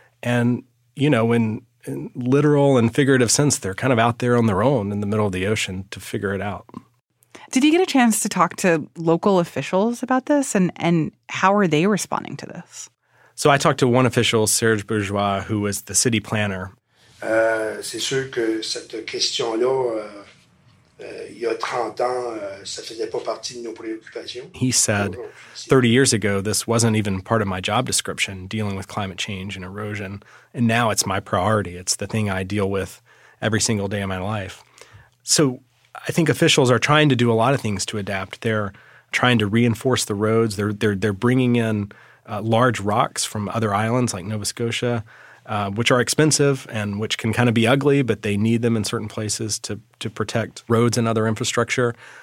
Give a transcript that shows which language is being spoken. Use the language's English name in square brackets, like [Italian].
[English] And, you know, in literal and figurative sense, they're kind of out there on their own in the middle of the ocean to figure it out. Did you get a chance to talk to local officials about this? And how are they responding to this? So I talked to one official, Serge Bourgeois, who was the city planner. [French] C'est sûr que cette question-là, il y a 30 ans, ça faisait pas partie de nos préoccupations. [English] He said, 30 years ago, this wasn't even part of my job description, dealing with climate change and erosion. And now it's my priority. It's the thing I deal with every single day of my life. So I think officials are trying to do a lot of things to adapt. They're trying to reinforce the roads. They're bringing in large rocks from other islands like Nova Scotia, which are expensive and which can kind of be ugly, but they need them in certain places to protect roads and other infrastructure.